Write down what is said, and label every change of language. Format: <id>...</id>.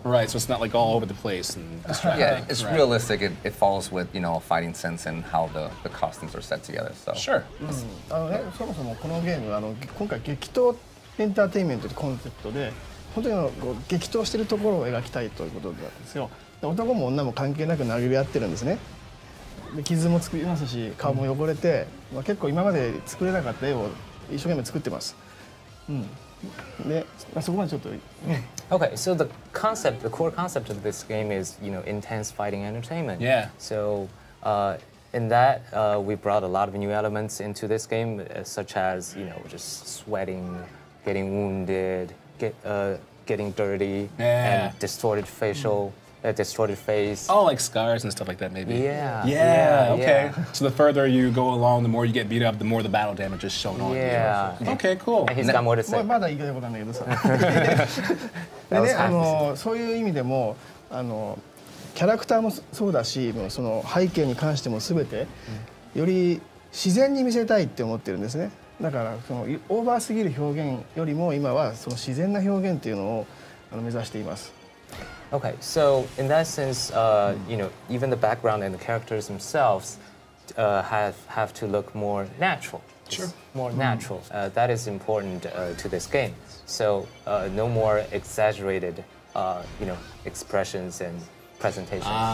<en>Right, so it's not like all over the place and distracting. Yeah, it's right. Realistic. It follows with, you know, a fighting sense and how the costumes are set together. So. Sure.</en> <ja>そもそもこのゲーム、今回激闘エンターテインメントってコンセプトで、本当にこう激闘してるところを描きたいということなんですよ。男も女も関係なく殴り合ってるんですね。で傷も作りますし、顔も汚れて、うんまあ、結構今まで作れなかった絵を一生懸命作ってます。うん。</ja> <en>Okay, so the core concept of this game is, you know, intense fighting entertainment. Yeah. So in that, we brought a lot of new elements into this game, such as, you know, just sweating, getting wounded, getting dirty, and distorted facial. A distorted face. Oh, like scars and stuff like that, maybe. Yeah. So the further you go along, the more you get beat up, the more the battle damage is shown on. Yeah. Okay, cool. And he's got more to say.</en> <ja>まだ言いたいことないけどさ。でね、そういう意味でも、キャラクターもそうだし、その背景に関しても全て、より自然に見せたいって思ってるんですね。だから、オーバーすぎる表現よりも、今はその自然な表現っていうのを目指しています。</ja> <en>Okay, so in that sense, you know, even the background and the characters themselves have to look more natural. Sure. More natural. That is important to this game. So no more exaggerated, you know, expressions and presentations.</en>